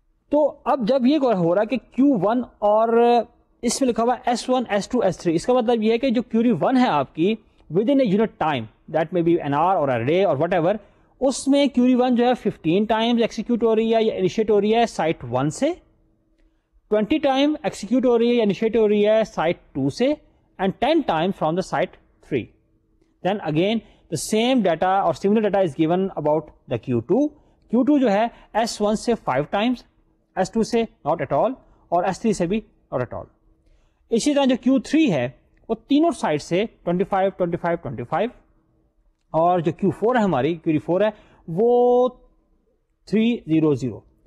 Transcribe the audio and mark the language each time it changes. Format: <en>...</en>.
<ur>تو اب جب یہ ہو رہا ہے کہ Q1 اور اس میں لکھا ہوا S1, S2, S3, اس کا مطلب یہ ہے کہ جو کیوری 1 ہے آپ کی</ur> <en>with in a unit time, that may be an hour or day or whatever,</en> <ur>اس میں کیوری 1 جو ہے 15 ٹائمز ایکسیکیوٹ ہو رہی ہے یا انیشیٹ ہو رہی ہے سائٹ 1 سے, 20 ٹائم ایکسیکیوٹ ہو رہی ہے یا انیشیٹ ہو رہی ہے سائٹ 2 سے,</ur> <en>And 10 time from the site 3. Then again the same data or similar data is given about the Q2.</en> <ur>Q2 جو ہے S1 سے 5 ٹائمز, S2 سے</ur> <en>not at all,</en> <ur>اور S3 سے بھی ناٹ ایٹ آل. اسی طرح جو Q3 ہے وہ تینوں سائٹ سے 25 25 25, اور جو Q4 ہے ہماری کیوری 4 ہے وہ 300.</ur>